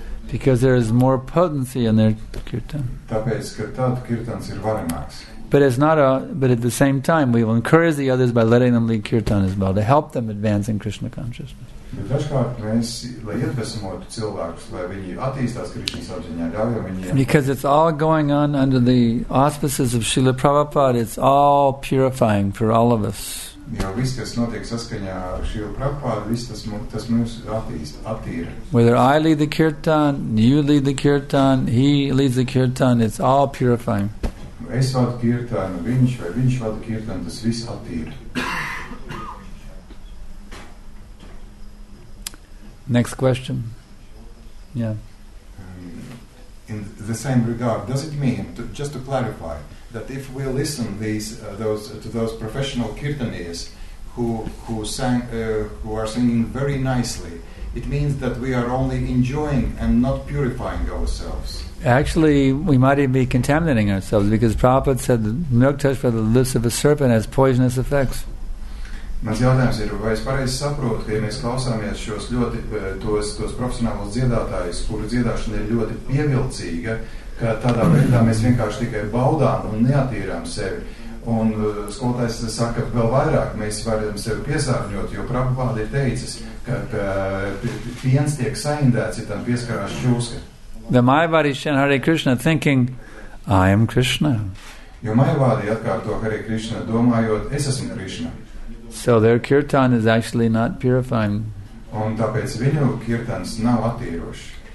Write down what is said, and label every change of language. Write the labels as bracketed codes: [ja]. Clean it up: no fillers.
[en] Because there is more potency in their kirtan. But at the same time, we will encourage the others by letting them lead kirtan as well, to help them advance in Krishna consciousness. [lv] Bet dažkārt mēs, lai iedvesmotu cilvēkus, lai viņi attīstās Krišņas apziņā, ļaujam viņiem. [en] Because it's all going on under the auspices of Śrīla Prabhupāda, it's all purifying for all of us. [lv] Jo viss, kas notiek saskaņā ar Śrīla Prabhupāda, viss tas mūs attīra. [en] Whether I lead the kirtan, you lead the kirtan, he leads the kirtan, it's all purifying. [lv] Es vadu kirtan, viņš vai viņš vada kirtan, tas viss attīra. [en] Next question. Yeah. In the same regard, does it mean, just to clarify, that if we listen to those professional kirtanis who are singing very nicely, it means that we are only enjoying and not purifying ourselves? Actually, we might even be contaminating ourselves, because Prabhupada said the milk touched by the lips of a serpent has poisonous effects. [lv] Mans jautājums ir, vai es pareizi saprotu, ka ja mēs klausāmies šos ļoti tos profesionālos dziedātājus, kuru dziedāšana ir ļoti pievilcīga, ka tādā veidā mēs vienkārši tikai baudām un neatīrām sevi. Un skolotājs saka, ka vēl vairāk mēs varam sevi piesārņot, jo Prabhupāda ir teicis, ka piens tiek saindēts, ja tam pieskarās šūska. [en] The Mayavadi chant Hare Krishna thinking, I am Krishna. [lv] Jo Mayavadi atkārto Hare Krishna domājot, es esmu Krishna. [en] So their kirtan is actually not purifying. [lv] Un tāpēc viņu kirtans nav attīrošs.